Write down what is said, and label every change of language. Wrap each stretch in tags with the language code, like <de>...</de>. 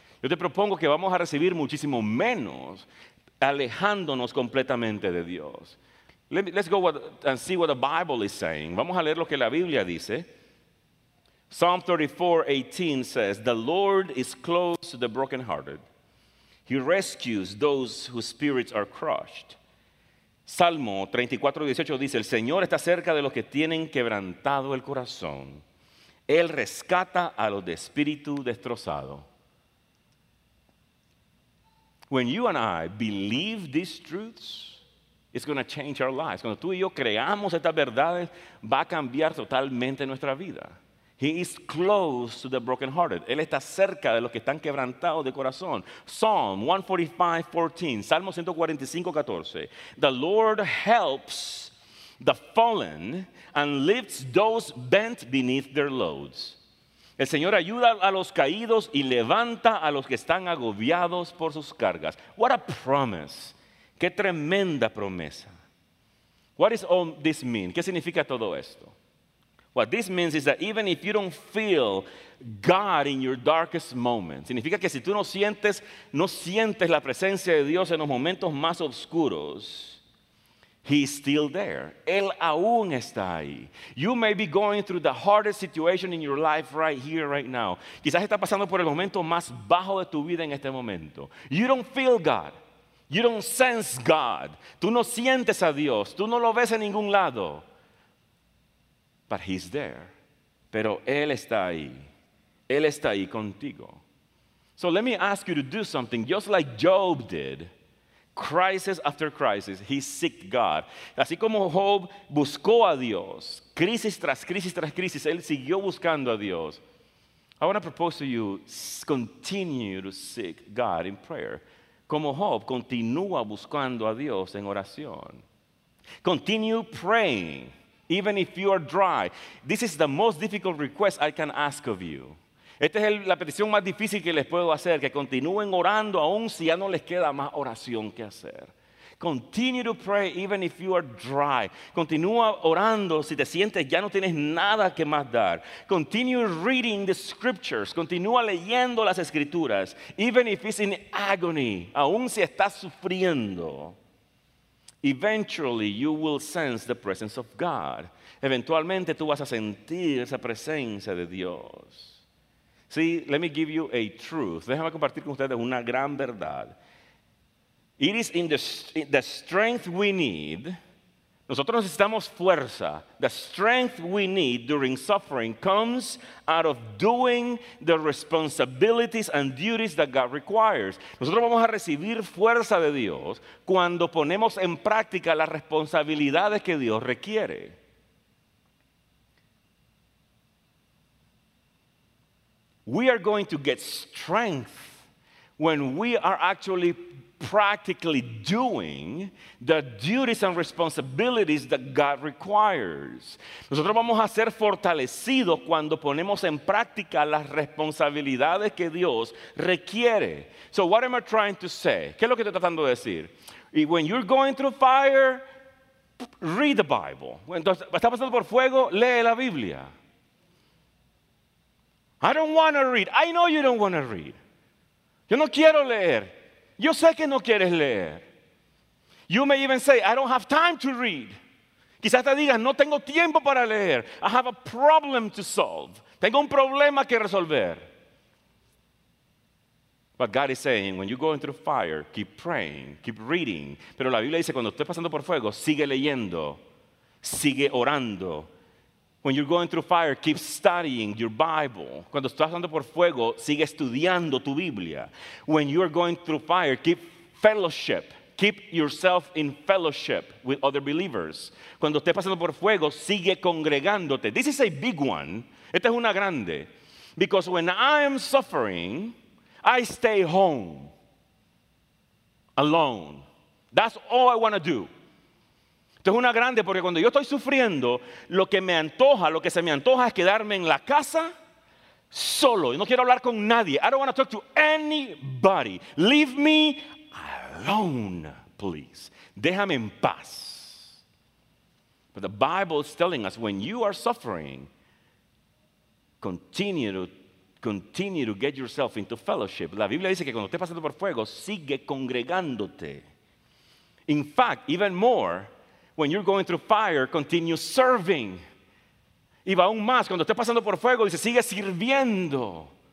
<es>Yo te propongo que vamos a recibir muchísimo menos alejándonos completamente de Dios.</es> <en>Let's go and see what the Bible is saying.</en> <es>Vamos a leer lo que la Biblia dice.</es> <en>Psalm 34:18 says, "The Lord is close to the brokenhearted. He rescues those whose spirits are crushed."</en> <es>Salmo 34:18 dice, el Señor está cerca de los que tienen quebrantado el corazón. Él rescata a los de espíritu destrozado.</es> <en>When you and I believe these truths, it's going to change our lives.</en> <es>Cuando tú y yo creamos estas verdades, va a cambiar totalmente nuestra vida.</es> <en>He is close to the brokenhearted.</en> <es>Él está cerca de los que están quebrantados de corazón.</es> <en>Psalm 145:14.</en> <es>Salmo 145:14.</es> <en>The Lord helps the fallen and lifts those bent beneath their loads.</en> <es>El Señor ayuda a los caídos y levanta a los que están agobiados por sus cargas.</es> <en>What a promise.</en> <es>Qué tremenda promesa.</es> <en>What does all this mean?</en> <es>¿Qué significa todo esto?</es> <en>What this means is that even if you don't feel God in your darkest moments,</en> <es>significa que si tú no sientes la presencia de Dios en los momentos más oscuros,</es> <en>He's still there.</en> <es>Él aún está ahí.</es> <en>You may be going through the hardest situation in your life right here, right now.</en> <es>Quizás estás pasando por el momento más bajo de tu vida en este momento.</es> <en>You don't feel God. You don't sense God.</en> <es>Tú no sientes a Dios. Tú no lo ves en ningún lado.</es> <en>But He's there.</en> <es>Pero Él está ahí. Él está ahí contigo.</es> <en>So let me ask you to do something just like Job did. Crisis after crisis, he sought God.</en> <es>Así como Job buscó a Dios, crisis tras crisis tras crisis, él siguió buscando a Dios.</es> <en>I want to propose to you, continue to seek God in prayer.</en> <es>Como Job, continúa buscando a Dios en oración.</es> <en>Continue praying, even if you are dry. This is the most difficult request I can ask of you.</en> <es>Esta es la petición más difícil que les puedo hacer, que continúen orando aún si ya no les queda más oración que hacer.</es> <en>Continue to pray even if you are dry.</en> <es>Continúa orando si te sientes ya no tienes nada que más dar.</es> <en>Continue reading the scriptures.</en> <es>Continúa leyendo las escrituras.</es> <en>Even if it's in agony,</en> <es>aún si estás sufriendo.</es> <en>Eventually you will sense the presence of God.</en> <es>Eventualmente tú vas a sentir esa presencia de Dios.</es> <en>See, let me give you a truth.</en> <es>Déjame compartir con ustedes una gran verdad.</es> <en>It is in the strength we need.</en> <es>Nosotros necesitamos fuerza.</es> <en>The strength we need during suffering comes out of doing the responsibilities and duties that God requires.</en> <es>Nosotros vamos a recibir fuerza de Dios cuando ponemos en práctica las responsabilidades que Dios requiere.</es> <en>We are going to get strength when we are actually practically doing the duties and responsibilities that God requires.</en> <es>Nosotros vamos a ser fortalecidos cuando ponemos en práctica las responsabilidades que Dios requiere.</es> <en>So what am I trying to say?</en> <es>¿Qué es lo que estoy tratando de decir?</es> <en>When you're going through fire, read the Bible.</en> <es>Entonces, ¿estás pasando por fuego? Lee la Biblia.</es> <en>I don't want to read. I know you don't want to read.</en> <es>Yo no quiero leer. Yo sé que no quieres leer.</es> <en>You may even say, I don't have time to read.</en> <es>Quizás te digas, no tengo tiempo para leer.</es> <en>I have a problem to solve.</en> <es>Tengo un problema que resolver.</es> <en>But God is saying, when you go through fire, keep praying, keep reading.</en> <es>Pero la Biblia dice, cuando estés pasando por fuego, sigue leyendo, sigue orando.</es> <en>When you're going through fire, keep studying your Bible.</en> <es>Cuando estás andando por fuego, sigue estudiando tu Biblia.</es> <en>When you're going through fire, keep fellowship. Keep yourself in fellowship with other believers.</en> <es>Cuando estés pasando por fuego, sigue congregándote.</es> <en>This is a big one.</en> <es>Esta es una grande.</es> <en>Because when I'm suffering, I stay home. Alone. That's all I want to do.</en> <es>Esto es una grande porque cuando yo estoy sufriendo, lo que se me antoja es quedarme en la casa solo. Yo no quiero hablar con nadie.</es> <en>I don't want to talk to anybody. Leave me alone, please.</en> <es>Déjame en paz.</es> <en>But the Bible is telling us when you are suffering, continue to get yourself into fellowship.</en> <es>La Biblia dice que cuando estés pasando por fuego, sigue congregándote.</es> <en>In fact, even more, when you're going through fire, continue serving.</en> <es>Y va aún más, cuando estés pasando por fuego, dice, sigue sirviendo.</es>